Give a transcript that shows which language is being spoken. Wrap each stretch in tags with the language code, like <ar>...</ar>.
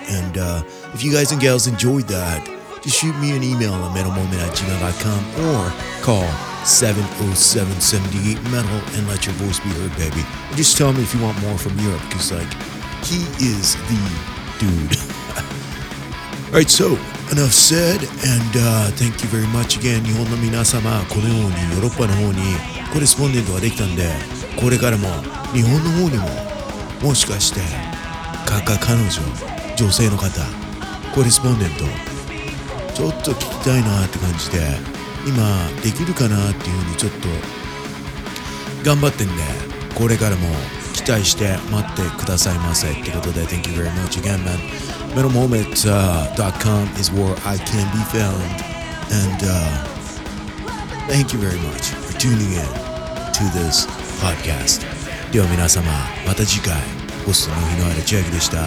<en>And if you guys and gals enjoyed that, just shoot me an email at metalmoment@gmail.com or call 707-78-METAL and let your voice be heard, baby. And just tell me if you want more from Europe, because, like, he is the dude. All right, so enough said, and thank you very much again.</en> <ja>日本の皆様、このようにヨーロッパの方にコレスポンデントができたんで、これからも日本の方にももしかして、かか彼女、女性の方、コレスポンデント、ちょっと聞きたいなって感じで、今できるかなっていうふうにちょっと頑張ってんで、これからも期待して待ってくださいませってことで、</ja> <en>Thank you very much again, man. MetalMoment.com is where I can be found. And thank you very much for tuning in to this podcast.</en> <ja>では皆様、また次回、ホストの日のあるジャグでした。</ja>